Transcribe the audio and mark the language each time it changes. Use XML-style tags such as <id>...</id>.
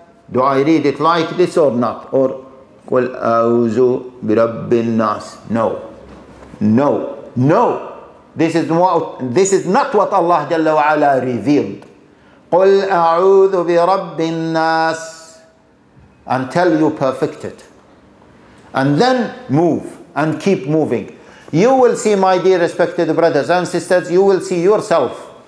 <en>Do I read it like this or not? Or</en> <ar>قُلْ أَعُوذُ بِرَبِّ النَّاسِ.</ar> <en>No. No. No. This is not what Allah Jalla wa Ala revealed.</en> <ar>قُلْ أَعُوذُ بِرَبِّ النَّاسِ</ar> <en>until you perfect it. And then move and keep moving. You will see, my dear respected brothers and sisters, you will see yourself.</en>